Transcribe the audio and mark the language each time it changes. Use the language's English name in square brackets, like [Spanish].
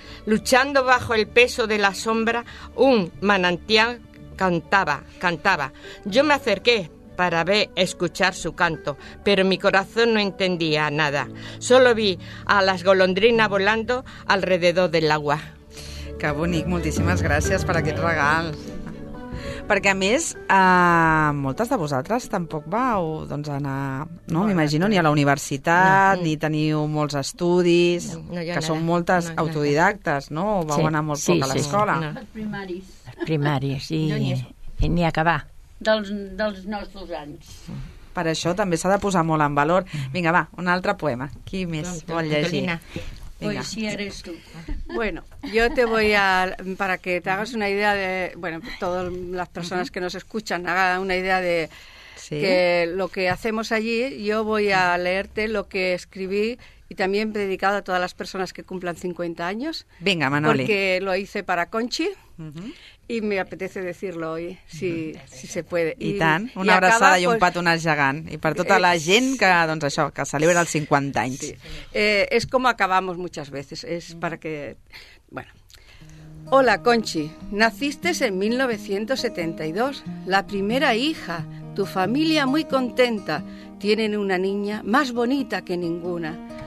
[Spanish] Luchando bajo el peso de la sombra, un manantial cantaba. Yo me acerqué para ver, escuchar su canto, pero mi corazón no entendía nada. Solo vi a las golondrinas volando alrededor del agua. [Catalan] Que bonic, moltíssimes gràcies per aquest regal. Perquè, a més, moltes de vosaltres tampoc vau doncs, anar, no? M'imagino, ni a la universitat, ni teniu molts estudis, que són moltes autodidactes, no? O vau anar molt poc a l'escola. Primàries, sí. Ni acabar. Dels nostres anys. Per això també s'ha de posar molt en valor. Vinga, va, un altre poema. Qui més vol llegir? Vinga. [Spanish] Pues si eres tú. Bueno, yo te voy a... Para que te hagas una idea de... Bueno, todas las personas que nos escuchan hagan una idea de sí, que lo que hacemos allí, yo voy a leerte lo que escribí y también dedicado a todas las personas que cumplan 50 años. Venga, Manoli. Porque lo hice para Conchi. Uh-huh. Y me apetece decirlo hoy, si, si se puede. [Catalan] I tant, una i abraçada acaba, i un pues, pato nas gegant. I per tota la gent que, doncs això, que celebra els 50 anys. Sí. [Spanish] Es como acabamos muchas veces. Es para que... Bueno. Hola, Conchi. Naciste en 1972. La primera hija. Tu familia muy contenta. Tienen una niña más bonita que ninguna.